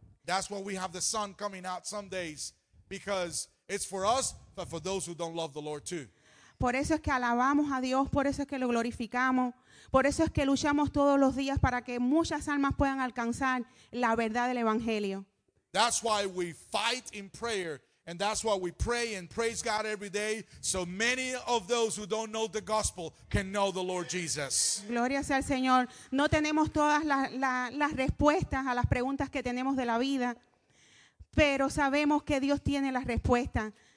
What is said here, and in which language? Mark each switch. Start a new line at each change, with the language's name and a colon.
English: That's why we have the sun coming out some days, because it's for us, but for those who don't love the Lord too.
Spanish: Por eso es que alabamos a Dios, por eso es que lo glorificamos, por eso es que luchamos todos los días para que muchas almas puedan alcanzar la verdad del Evangelio.
English: That's why we fight in prayer, and that's why we pray and praise God every day, so many of those who don't know the gospel can know the Lord Jesus.
Spanish: Gloria sea al Señor. No tenemos todas las respuestas a las preguntas que tenemos de la vida, pero sabemos que Dios tiene las respuestas.